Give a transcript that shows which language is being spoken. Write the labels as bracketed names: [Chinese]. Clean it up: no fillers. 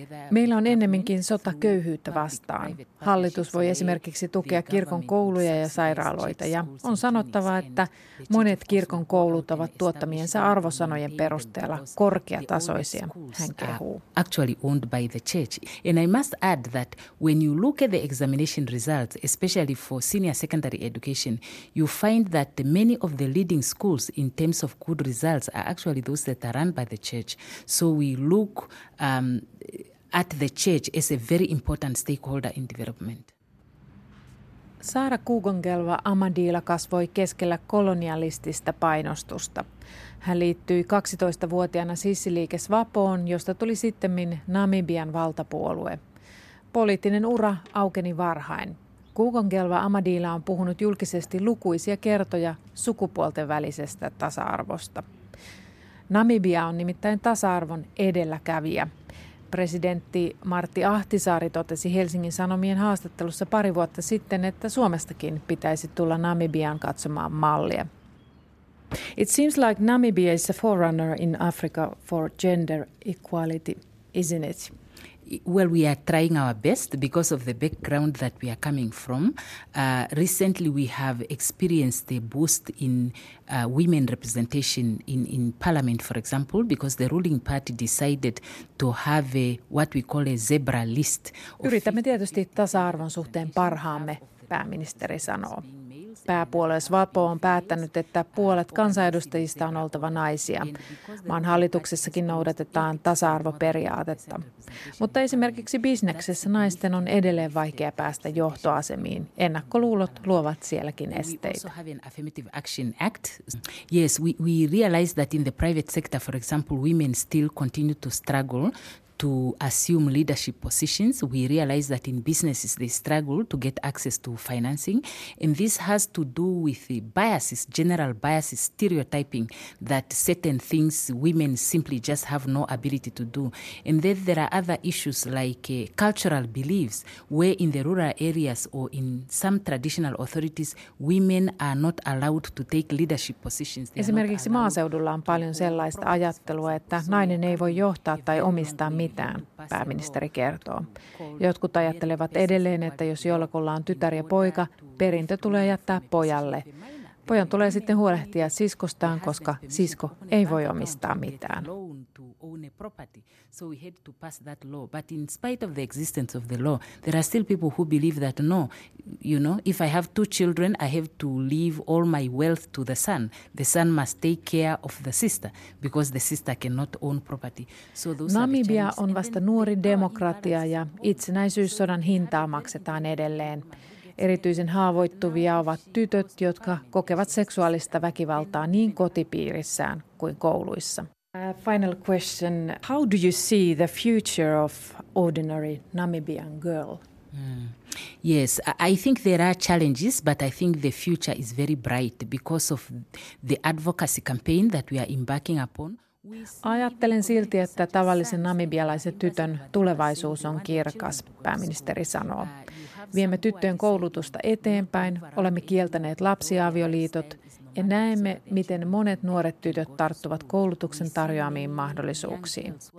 [Finnish] Meillä on ennemminkin sota köyhyyttä vastaan. Hallitus voi esimerkiksi tukea kirkon kouluja ja sairaaloita, ja on sanottava, että monet kirkon koulut ovat tuottamiensa arvosanojen perusteella korkeatasoisia, hän kehuu. [English] Actually owned by the church. And I must add that when you look at the examination results, especially for senior secondary education, you find that many of the leading schools in terms of good results are actually those that are run by the church. So we look at the church as a very important stakeholder in development. [Finnish] Saara Kuugongelwa Amadila kasvoi keskellä kolonialistista painostusta. Hän liittyi 12-vuotiaana Sissiliike SWAPOon, josta tuli sittemmin Namibian valtapuolue. Poliittinen ura aukeni varhain. Kuugongelwa Amadila on puhunut julkisesti lukuisia kertoja sukupuolten välisestä tasa-arvosta. Namibia on nimittäin tasa-arvon edelläkävijä. Presidentti Martti Ahtisaari totesi Helsingin Sanomien haastattelussa pari vuotta sitten, että Suomestakin pitäisi tulla Namibiaan katsomaan mallia. [English] It seems like Namibia is a forerunner in Africa for gender equality, isn't it? Well, we are trying our best because of the background that we are coming from. Recently, we have experienced a boost in women representation in parliament, for example, because the ruling party decided to have a what we call a zebra list. [Finnish] Yritämme tietysti tasa-arvon suhteen parhaamme, pääministeri sanoo. Pääpuolue SWAPO on päättänyt, että puolet kansanedustajista on oltava naisia. Maan hallituksessakin noudatetaan tasa-arvoperiaatetta. Mutta esimerkiksi bisneksessä naisten on edelleen vaikea päästä johtoasemiin. Ennakkoluulot luovat sielläkin esteitä. [English] Yes, we realize that in the private sector, for example, women still continue to struggle to assume leadership positions. We realize that in businesses they struggle to get access to financing, and this has to do with the biases, general biases, stereotyping that certain things women simply just have no ability to do. And then there are other issues like cultural beliefs, where in the rural areas or in some traditional authorities women are not allowed to take leadership positions. [Finnish] Esimerkiksi maaseudulla on paljon sellaista ajattelua, että nainen ei voi johtaa tai omistaa mitään, pääministeri kertoo. Jotkut ajattelevat edelleen, että jos jollakulla on tytär ja poika, perintö tulee jättää pojalle. Pojan tulee sitten huolehtia siskostaan, koska sisko ei voi omistaa mitään. [English] So we had to pass that law. But in spite of the existence of the law, there are still people who believe that, no, you know, if I have two children, I have to leave all my wealth to the son. The son must take care of the sister because the sister cannot own property. So those [Finnish] Namibia on vasta nuori demokratia ja itsenäisyyssodan hintaa maksetaan edelleen. Erityisen haavoittuvia ovat tytöt, jotka kokevat seksuaalista väkivaltaa niin kotipiirissään kuin kouluissa. [English] Final question. How do you see the future of ordinary Namibian girl? Yes, I think there are challenges, but I think the future is very bright because of the advocacy campaign that we are embarking upon. [Finnish] Ajattelen silti, että tavallisen namibialaisen tytön tulevaisuus on kirkas, pääministeri sanoo. Viemme tyttöjen koulutusta eteenpäin, olemme kieltäneet lapsiavioliitot ja näemme, miten monet nuoret tytöt tarttuvat koulutuksen tarjoamiin mahdollisuuksiin.